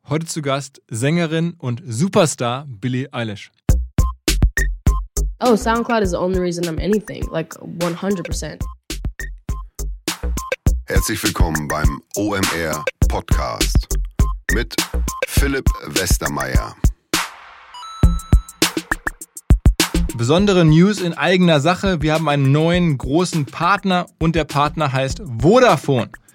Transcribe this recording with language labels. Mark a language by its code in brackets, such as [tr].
[de] Heute zu Gast Sängerin und Superstar Billie Eilish. [en] Oh, SoundCloud is the only reason I'm anything, like 100%. [de] Herzlich willkommen beim OMR Podcast mit Philipp Westermeier. Besondere News in eigener Sache. Wir haben einen neuen großen Partner und der Partner heißt Vodafone.